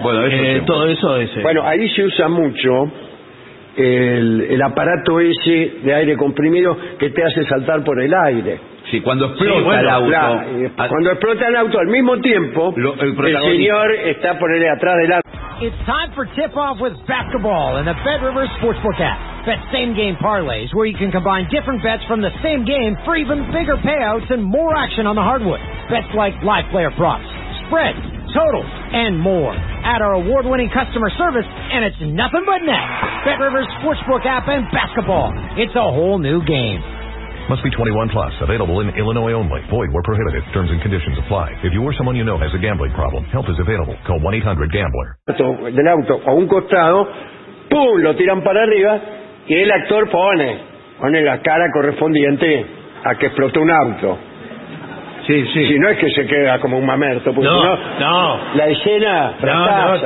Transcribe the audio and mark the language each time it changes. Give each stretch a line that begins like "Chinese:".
Spanish: bueno, eso es todo eso es... Bueno, ahí se usa mucho el aparato ese de aire comprimido que te hace saltar por el aire. Sí, cuando explota el auto. Claro, cuando explota el auto, al mismo tiempo, el señor está ponerle atrás del auto.
English: It's time for tip-off with basketball in the Bet Rivers Sportsbook app. Bet same-game parlays where you can combine different bets from the same game for even bigger payouts and more action on the hardwood. Bets like live player props, spreads, totals, and more. Add our award-winning customer service, and it's nothing but net. Bet Rivers Sportsbook app and basketball. It's a whole new game. Must be 21 plus. Available in Illinois only. Void where prohibited. Terms and conditions apply. If you or someone you know has a gambling problem, help is available. Call 1-800-GAMBLER.
Spanish: Del auto a un costado, ¡pum!, lo tiran para arriba y el actor pone la cara correspondiente a que explotó un auto. Sí, sí. Si no es que se queda como un mamerto. No, si no, no. La escena fracasa.